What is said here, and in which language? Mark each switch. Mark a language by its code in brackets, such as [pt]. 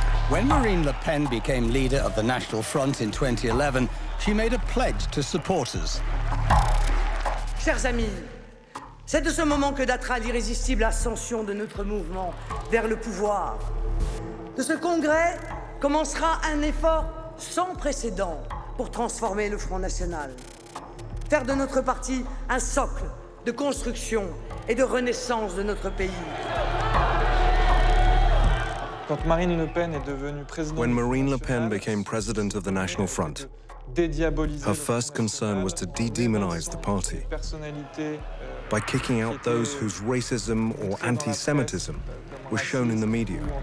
[en] When Marine Le Pen became leader of the National Front in 2011, she made a pledge to supporters. [fr] Chers amis, c'est de ce moment que datera l'irrésistible ascension de notre mouvement vers le pouvoir. De ce congrès commencera un effort sans précédent pour transformer le Front National. Faire de notre parti un socle de construction et de renaissance de notre pays. Quand Marine Le Pen est devenue présidente, [en] when Marine Le Pen became president of the National Front, her first concern was to de-demonize the party by kicking out those whose racism or anti-Semitism was shown in the media.